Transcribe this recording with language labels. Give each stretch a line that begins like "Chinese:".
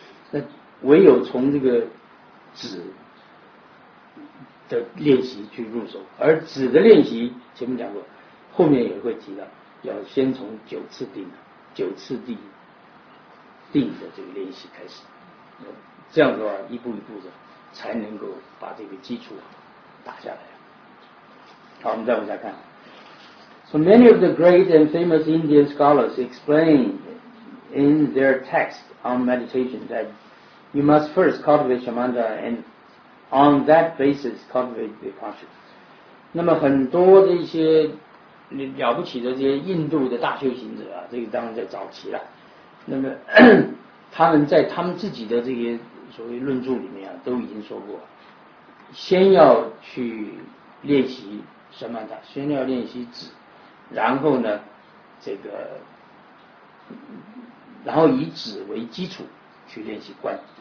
Chinese: 那唯有从这个止的练习去入手，而止的练习前面讲过，后面也会提到要先从九次定的这个练习开始，这样的话一步一步的才能够把这个基础打下来。好，我们再往下看。
English: So many of the great and famous Indian scholars explained in their text on meditation that you must first cultivate shamatha and on that basis cultivate vipassana.
Chinese: 那么很多的一些了不起的这些印度的大修行者啊，这个当然在早期了，那么他们在他们自己的这些所谓论著里面啊，都已经说过先要去练习什么的，先要练习止，然后呢这个然后以止为基础去练习观。